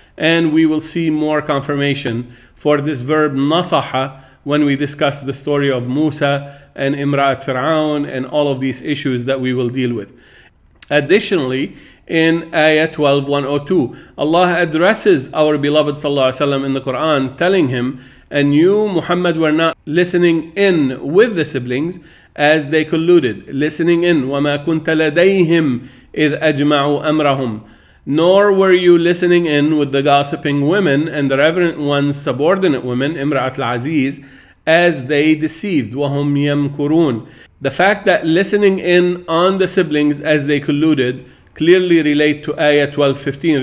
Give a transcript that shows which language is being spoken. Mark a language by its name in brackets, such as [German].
[English] And we will see more confirmation for this verb nasaha when we discuss the story of Musa and Imra'at Fir'aun and all of these issues that we will deal with. Additionally, in ayah 12:102, Allah addresses our beloved sallallahu alaihi wasallam in the Quran, telling him, and you, Muhammad, were not listening in with the siblings as they colluded. Listening in, [Arabic] وَمَا كُنْتَ لَدَيْهِمْ إِذْ أَجْمَعُوا أَمْرَهُمْ. [English] Nor were you listening in with the gossiping women and the reverent ones, subordinate women, Imra'at al-Aziz, as they deceived, [Arabic] وَهُمْ يَمْكُرُونَ. [English] The fact that listening in on the siblings as they colluded clearly relate to ayah 12:15.